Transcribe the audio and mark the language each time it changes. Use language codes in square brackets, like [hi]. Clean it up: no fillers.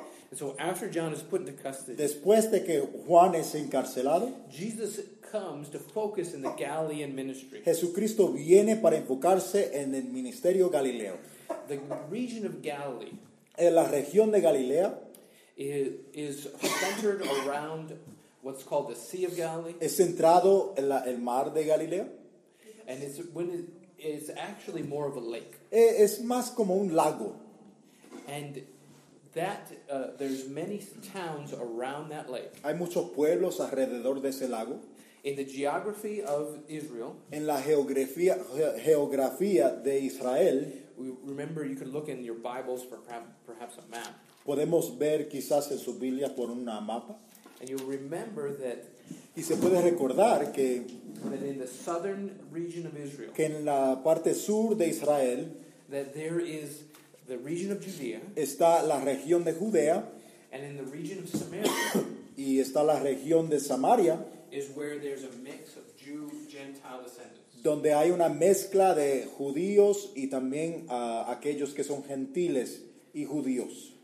[en] And so after John is put into custody. [es] Después de que Juan es encarcelado. [en] Jesus comes to focus in the Galilean ministry. [es] Jesucristo viene para enfocarse en el ministerio galileo. [en] The region of Galilee. [es] En la región de Galilea. [en] Is centered around what's called the Sea of Galilee. [es] Es centrado en el mar de Galilea. [en] And it's actually more of a lake. [es] Es más como un lago. [en] And that there's many towns around that lake. [es] Hay muchos pueblos alrededor de ese lago. [en] In the geography of Israel. [es] En la geografía de Israel. [en] Remember, you can look in your Bibles for perhaps a map. [es] Podemos ver quizás en su Biblia por un mapa. [en] And you remember that. [es] Y se puede recordar que. [en] That in the southern region of Israel. [es] Que en la parte sur de Israel. [en] That there is the region of Judea. [es] Está la región de Judea. [en] And in the region of Samaria. [es] Y está la región de Samaria. [en] Is where there's a mix of Jew-Gentile descendants. [es] Donde hay una mezcla de judíos y también aquellos que son gentiles y judíos.